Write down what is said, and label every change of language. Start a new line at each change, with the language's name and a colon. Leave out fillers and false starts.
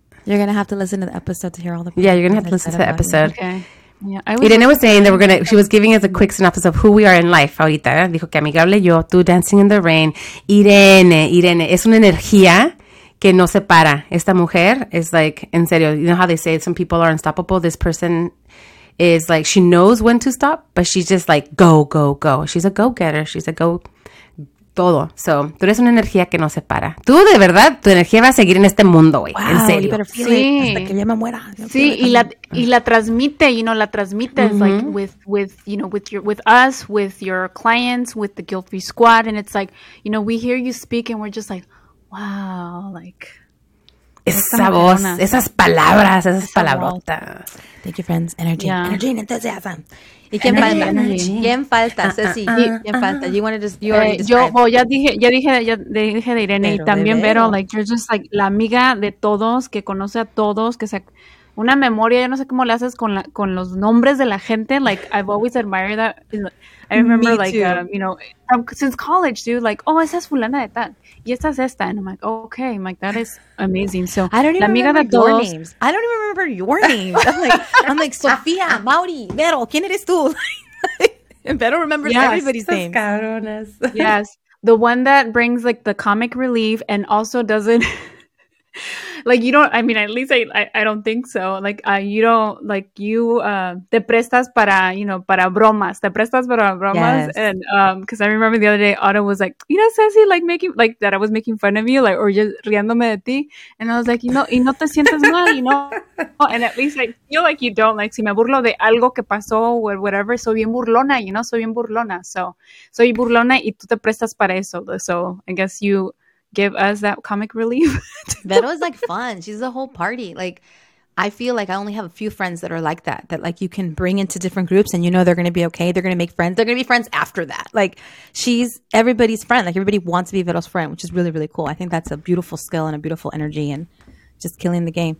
English: You're going to have to listen to the episode to hear all the Yeah, you're going to have to listen to the episode. Okay. Yeah, Irene was saying that she was giving us a quick synopsis of who we are in life ahorita.
Spanish: Dijo que amigable yo, tú dancing in the rain. Irene, es una energía que no se para.
English: Esta mujer es like, en serio, you know how they say some people are unstoppable? This person is like, she knows when to stop, but she's just like, go, go, go. She's a go-getter. She's a go todo.
Spanish: So, tú eres una energía que no se para. Tú, de verdad, tu energía va a seguir en este mundo, güey.
English: Wow,
Spanish: en serio. You better feel sí. It hasta que ya me muera. Sí, y la transmite, you know, la transmites, mm-hmm.
English: Like, with, you know, with us, with your clients, with the guilt-free squad. And it's like, you know, we hear you speak and we're just like, wow, like...
Spanish: Esa voz, esas palabrotas.
English: Thank you, friends. Energy. Yeah. Energy and enthusiasm.
Spanish: ¿Y quién falta? ¿Quién falta, Ceci? ¿Quién falta? You wanted to just, you already Yo, ya dije de Irene, pero, y también Vero, like, you're just like la amiga de todos, que conoce a todos, que sea una memoria, yo no sé cómo le haces con los nombres de la gente, like, I've always admired that.
English: I remember, me like, you know, from, since college, dude, like, oh, esa es fulana de tal, y esa es esta, and I'm like, okay, I'm like, that is amazing, so. I don't even remember your todos, names. I don't even remember your names. I'm like, Sofía, Mauri, Vero, ¿quién eres tú? And Vero remembers, yes, everybody's names.
Spanish: Cabrones. Yes.
English: The one that brings like the comic relief and also doesn't like you don't, I mean, at least I don't think so. Like you don't like you te prestas para, you know, para bromas. Te prestas para bromas. Yes. And because I remember the other day Otto was like, you know, Ceci, like making like that I was making fun of you, like or just riéndome de ti. And I was like, you know, y no te sientes mal, you know. And at least I feel like you don't like si me burlo de algo que pasó or whatever, soy bien burlona, you know, soy bien burlona.
Spanish: So soy burlona y tú te prestas para eso.
English: So I guess you give us that comic relief. Veto is like fun. She's a whole party. Like, I feel like I only have a few friends that are like that, that like you can bring into different groups and you know they're going to be okay. They're going to make friends. They're going to be friends after that. Like, she's everybody's friend. Like, everybody wants to be Veto's friend, which is really, really cool. I think that's a beautiful skill and a beautiful energy and just killing the game.